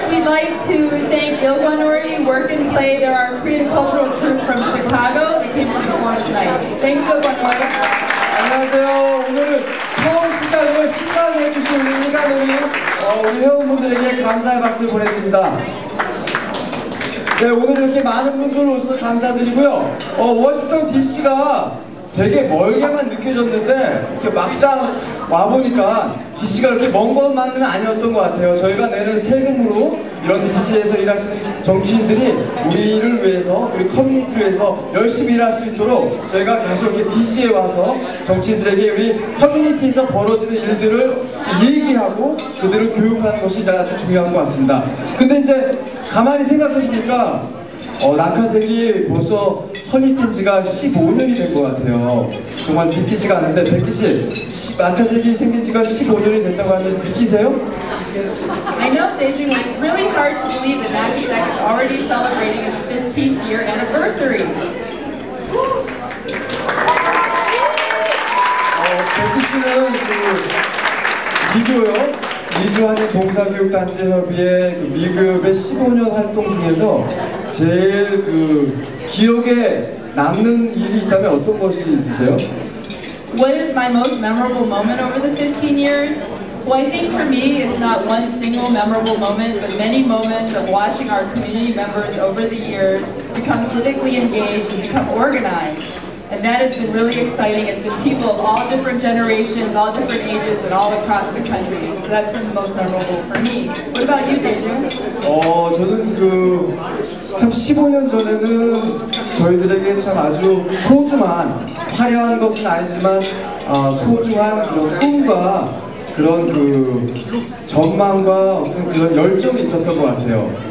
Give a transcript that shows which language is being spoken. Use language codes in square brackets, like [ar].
[en] like to thank Ilgonori Work and Play. They're our Korean cultural troupe from Chicago. They came to perform tonight. Thanks, Ilgonori. [ko] 안녕하세요. 오늘은 처음 시작을 신나게 해주신 우리 인간우리 우리 회원분들에게 감사의 박수를 보내드립니다. 네, 오늘 이렇게 많은 분들 오셔서 감사드리고요. 워싱턴 DC가 되게 멀게만 느껴졌는데 이렇게 막상 와보니까 DC가 그렇게 먼 것만은 아니었던 것 같아요. 저희가 내는 세금으로 이런 DC에서 일하시는 정치인들이 우리를 위해서, 우리 커뮤니티를 위해서 열심히 일할 수 있도록 저희가 계속 이렇게 DC에 와서 정치인들에게 우리 커뮤니티에서 벌어지는 일들을 얘기하고 그들을 교육하는 것이 아주 중요한 것 같습니다. 근데 이제 가만히 생각해보니까 낙하산이 벌써 설립된 지가 15년이 된 것 같아요. 정말 믿기지가 않은데, 백희 씨, 낙하산이 생긴 지가 15년이 됐다고 하는데 믿기세요? [en] I know, Daejun, it's really hard to believe that NACASEC is already celebrating its 15th year anniversary. [ko] 백희 씨는 믿어요? 미주한인 동사교육단체협의회 그 미교협의 15년 활동 중에서 제일 그 기억에 남는 일이 있다면 어떤 것이 있으세요? [en] What is my most memorable moment over the 15 years? Well, I think for me it's not one single memorable moment, but many moments of watching our community members over the years become civically engaged and become organized. And that has been really exciting. It's been people of all different generations, all different ages, and all across the country. So that's been the most memorable for me. What about you, Daejun? [ko] 저는 그 참 15년 전에는 저희들에게 참 아주 소중한 화려한 것은 아니지만 소중한 그런 꿈과 그런 그 전망과 어떤 그런 열정이 있었던 것 같아요.